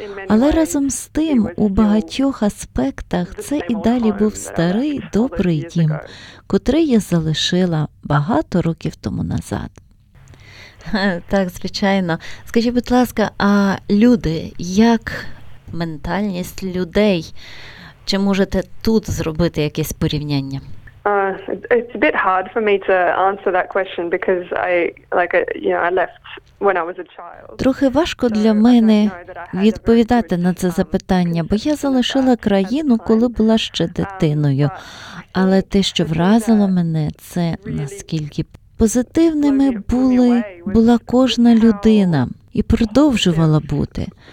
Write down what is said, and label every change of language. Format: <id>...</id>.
<uk>Але разом з тим, у багатьох аспектах це і далі був старий добрий дім, котрий я залишила багато років тому назад. Так, звичайно. Скажіть, будь ласка, а люди, як ментальність людей? Чи можете тут зробити якесь порівняння?</uk> <en>It's a bit hard for me to answer that question because I left when I was a child.</en> <uk>Трохи важко для мене відповідати на це запитання, бо я залишила країну, коли була ще дитиною. Але те, що вразило мене, це наскільки позитивними була кожна людина і продовжувала бути.</uk>